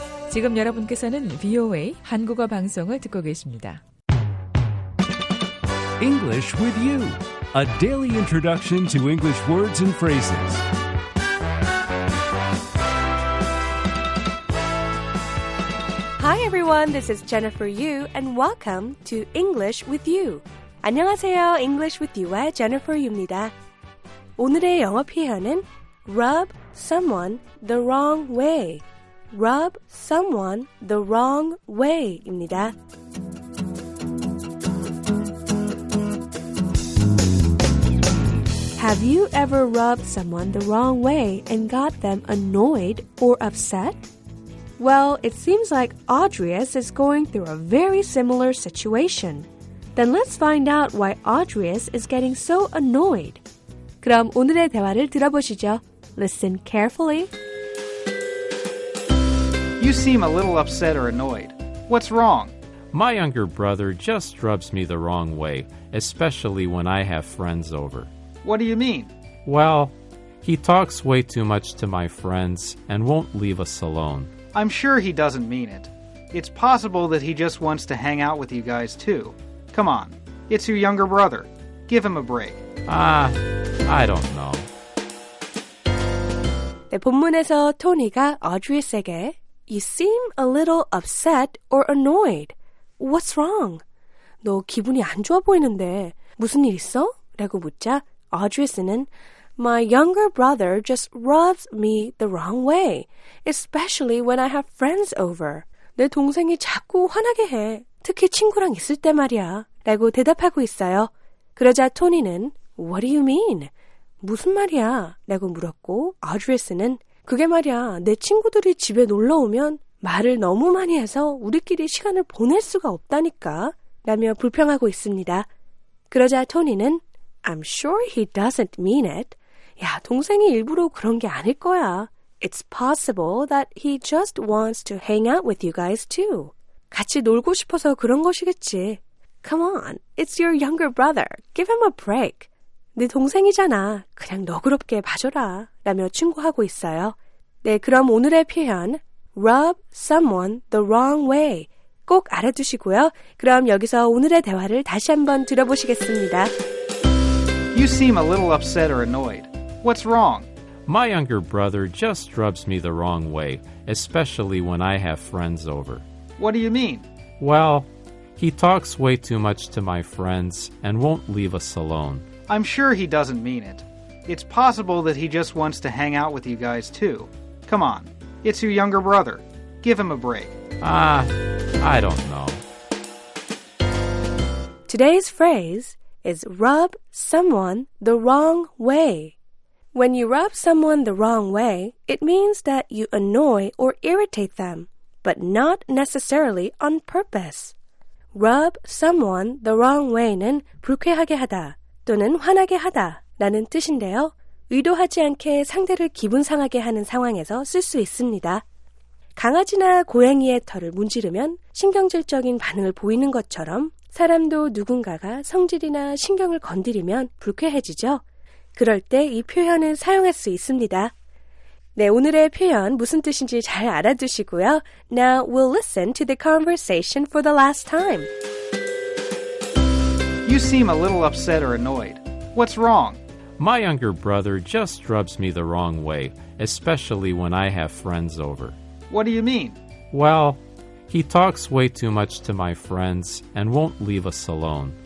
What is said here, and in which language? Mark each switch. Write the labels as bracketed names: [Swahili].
[Korean] 지금 여러분께서는 VOA 한국어 방송을 듣고 계십니다. [English] English with you. A daily introduction to English words and phrases. Hi everyone. This is Jennifer Yu and welcome to English with you. [Korean] 안녕하세요. English with you의 Jennifer Yu입니다. 오늘의 영어 표현은 [English] rub someone the wrong way. Rub someone the wrong way [Korean] 입니다. [English] Have you ever rubbed someone the wrong way and got them annoyed or upset? Well, it seems like Audrius is going through a very similar situation. Then let's find out why Audrius is getting so annoyed. [Korean] 그럼 오늘의 대화를 들어보시죠. [English] Listen carefully. You seem a little upset or annoyed. What's wrong? My younger brother just rubs me the wrong way, especially when I have friends over. What do you mean? Well, he talks way too much to my friends and won't leave us alone. I'm sure he doesn't mean it. It's possible that he just wants to hang out with you guys too. Come on, it's your younger brother. Give him a break. I don't know. [Korean] 네, 본문에서 토니가 Audrius에게 [English] You seem a little upset or annoyed. What's wrong? [Korean] 너 기분이 안 좋아 보이는데 무슨 일 있어? 라고 묻자 [English] Audrius는 My younger brother just rubs me the wrong way, especially when I have friends over. [Korean] 내 동생이 자꾸 화나게 해, 특히 친구랑 있을 때 말이야. 라고 대답하고 있어요. 그러자 토니는 [English] What do you mean? [Korean] 무슨 말이야? 라고 물었고 Audrius는 그게 말이야, 내 친구들이 집에 놀러 오면 말을 너무 많이 해서 우리끼리 시간을 보낼 수가 없다니까, 라며 불평하고 있습니다. 그러자 토니는 [English] I'm sure he doesn't mean it. [Korean] 야, 동생이 일부러 그런 게 아닐 거야. [English] It's possible that he just wants to hang out with you guys too. [Korean] 같이 놀고 싶어서 그런 것이겠지. [English] Come on, it's your younger brother. Give him a break. [Korean] 네 동생이잖아. 그냥 너그럽게 봐줘라. 라며 충고하고 있어요. 네, 그럼 오늘의 표현 [English] rub someone the wrong way [Korean] 꼭 알아두시고요. 그럼 여기서 오늘의 대화를 다시 한번 들어보시겠습니다. [English] You seem a little upset or annoyed. What's wrong? My younger brother just rubs me the wrong way, especially when I have friends over. What do you mean? Well, he talks way too much to my friends and won't leave us alone. I'm sure he doesn't mean it. It's possible that he just wants to hang out with you guys too. Come on, it's your younger brother. Give him a break. I don't know. Today's phrase is rub someone the wrong way. When you rub someone the wrong way, it means that you annoy or irritate them, but not necessarily on purpose. Rub someone the wrong way는 [Korean] 불쾌하게 하다. 또는 화나게 하다 라는 뜻인데요. 의도하지 않게 상대를 기분 상하게 하는 상황에서 쓸 수 있습니다. 강아지나 고양이의 털을 문지르면 신경질적인 반응을 보이는 것처럼 사람도 누군가가 성질이나 신경을 건드리면 불쾌해지죠. 그럴 때 이 표현을 사용할 수 있습니다. 네, 오늘의 표현 무슨 뜻인지 잘 알아두시고요. [English] Now we'll listen to the conversation for the last time. You seem a little upset or annoyed. What's wrong? My younger brother just rubs me the wrong way, especially when I have friends over. What do you mean? Well, he talks way too much to my friends and won't leave us alone.